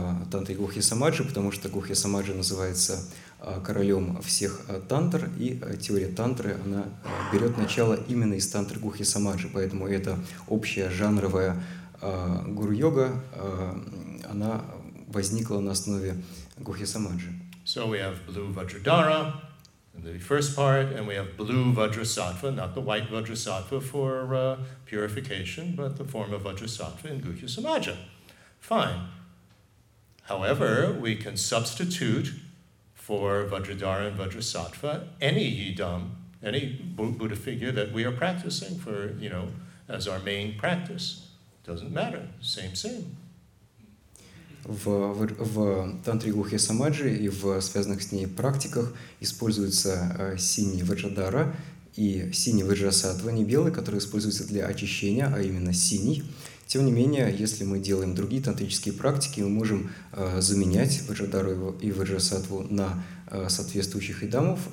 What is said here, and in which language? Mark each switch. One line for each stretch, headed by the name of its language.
Russian: тантре Гухья Самаджи, потому что Гухья Самаджи называется королем всех тантр, и теория тантры, она берет начало именно из тантры Гухья Самаджи, поэтому эта общая жанровая гуру-йога, она возникла на основе Гухья Самаджи.
English: So we have blue Vajradhara in the first part, and we have blue Vajrasattva, not the white Vajrasattva for purification, but the form of Vajrasattva in Guhya Samaja. Fine. However, we can substitute for Vajradhara and Vajrasattva any Yidam, any Buddha figure that we are practicing for, you know, as our main practice. Doesn't matter. Same, same.
Russian: В тантре Гухья Самаджи и в связанных с ней практиках используется синий ваджадара и синий ваджасатва, не белый, который используется для очищения, а именно синий. Тем не менее, если мы делаем другие тантрические практики, мы можем заменять ваджадару и ваджасатву на соответствующих идамов.